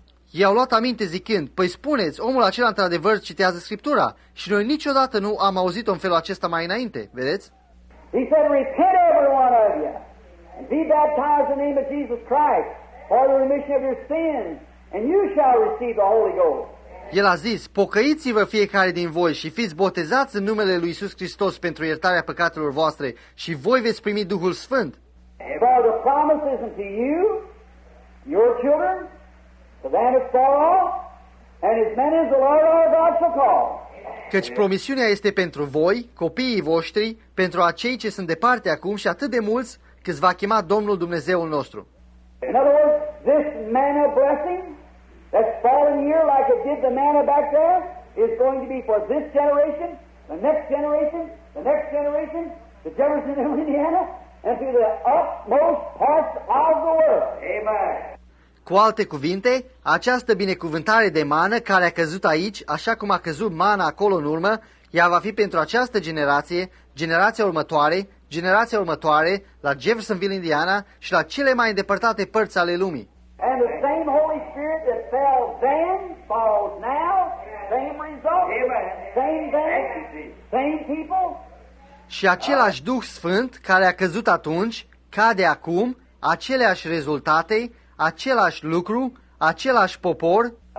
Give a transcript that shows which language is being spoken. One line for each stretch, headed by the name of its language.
Romanian: I-au luat aminte zicând, păi spuneți, omul acela într-adevăr citează Scriptura și noi niciodată nu am auzit-o în felul acesta mai înainte, vedeți?
English: He said, repent every one of you and be baptized in the name of Jesus Christ for the remission of your sins and you shall receive the Holy Ghost.
Romanian: El a zis, pocăiți-vă fiecare din voi și fiți botezați în numele lui Iisus Hristos pentru iertarea păcatelor voastre și voi veți primi Duhul Sfânt.
English: For the promise isn't to you, your children, the man is far off, and as many as the Lord our God shall call.
Romanian: Căci promisiunea este pentru voi, copiii voștri, pentru acei ce sunt departe acum și atât de mulți câți va chema Domnul Dumnezeul nostru.
English: In other words, this manna blessing that's fallen here like it did the manna back there is going to be for this generation, the next generation, the next generation, the generation of Indiana, and to the utmost parts of the world. Amen.
Romanian: Cu alte cuvinte, această binecuvântare de mană care a căzut aici, așa cum a căzut mana acolo în urmă, ea va fi pentru această generație, generația următoare, generația următoare, la Jeffersonville, Indiana și la cele mai îndepărtate părți ale lumii.
English: And the same Holy Spirit that fell then falls now, same result, same thing, same people.
Romanian: Și același Duh Sfânt care a căzut atunci, cade acum, aceleași rezultate, același lucru, același popor.